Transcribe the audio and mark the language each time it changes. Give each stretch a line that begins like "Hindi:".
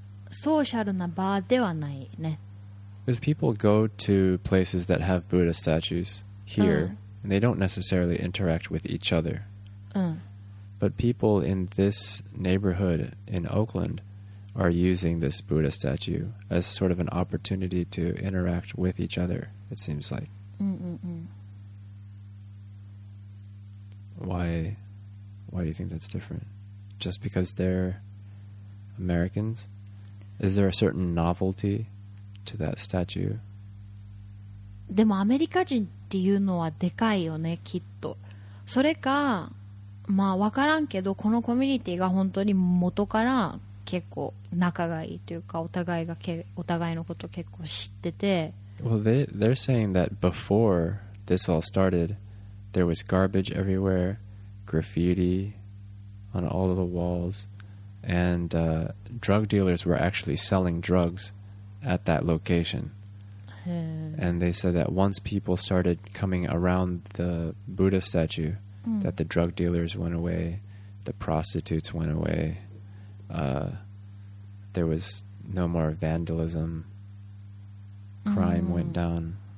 Japanese: ソーシャルな場ではないね。
English: Because people go to places that have Buddha statues here, and they don't necessarily interact with each other. But people in this neighborhood in Oakland are using this Buddha statue as sort of an opportunity to interact with each other, it seems like. Why do you think that's different? Just because they're Americans? Is there a certain novelty to that statue?
Japanese: でもアメリカ人っていうのはでかいよね、きっと。それか、まあ分からんけど、このコミュニティが本当に元から結構仲がいいというか、お互いのこと結構知ってて。
English: Well, they're saying that before this all started, there was garbage everywhere, graffiti on all of the walls, and drug dealers were actually selling drugs at that location. And they said that once people started coming around the Buddha statue, that the drug dealers went away, the prostitutes went away, there was no more vandalism, crime went down.